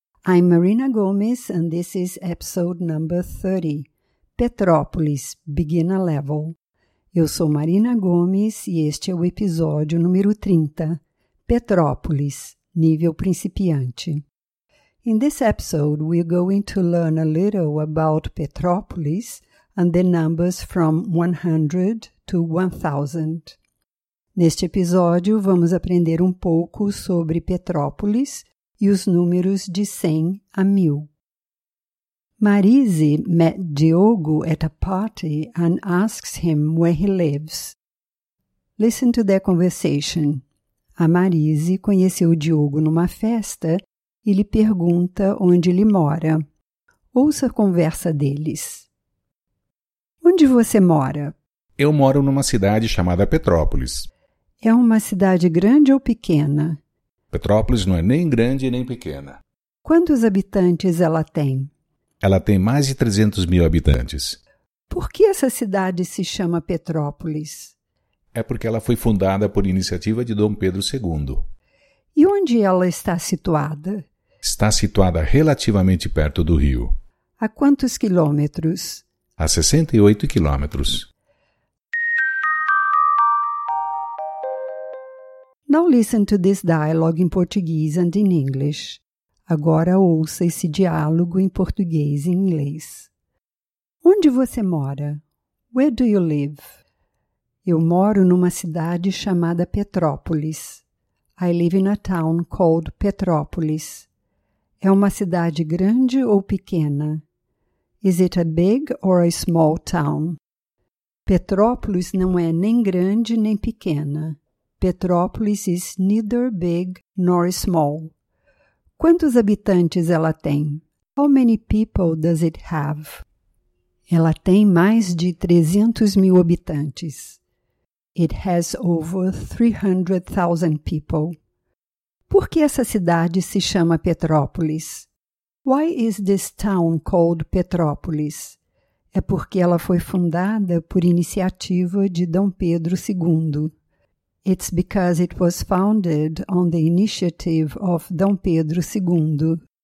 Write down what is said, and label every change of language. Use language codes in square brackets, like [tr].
[en] I'm Marina Gomes and this is episode number 30, Petrópolis, Beginner Level. [pt] Eu sou Marina Gomes e este é o episódio número 30, Petrópolis, Nível Principiante. [en] In this episode, we're going to learn a little about Petrópolis and the numbers from 100 to 1000. [pt] Neste episódio, vamos aprender um pouco sobre Petrópolis e os números de 100 a 1000. [en] Marise met Diogo at a party and asks him where he lives. Listen to their conversation. [pt] A Marise conheceu o Diogo numa festa e lhe pergunta onde ele mora. Ouça a conversa deles. Onde você mora? Eu moro numa cidade chamada Petrópolis. É uma cidade grande ou pequena? Petrópolis não é nem grande nem pequena. Quantos habitantes ela tem? Ela tem mais de 300 mil habitantes. Por que essa cidade se chama Petrópolis? É porque ela foi fundada por iniciativa de Dom Pedro II. E onde ela está situada? Está situada relativamente perto do rio. A quantos quilômetros? A 68 quilômetros. [en] Now listen to this dialogue in Portuguese and in English. [pt] Agora ouça esse diálogo em português e inglês. Onde você mora? [en] Where do you live? [pt] Eu moro numa cidade chamada Petrópolis. [en] I live in a town called Petrópolis. [pt] É uma cidade grande ou pequena? [en] Is it a big or a small town? [pt] Petrópolis não é nem grande nem pequena. [en] Petrópolis is neither big nor small. [pt] Quantos habitantes ela tem? [en] How many people does it have? [pt] Ela tem mais de 300 mil habitantes. [en] It has over 300,000 people. [pt] Por que essa cidade se chama Petrópolis? [en] Why is this town called Petrópolis? [pt] É porque ela foi fundada por iniciativa de Dom Pedro II. [en] It's because it was founded on the initiative of Dom Pedro II.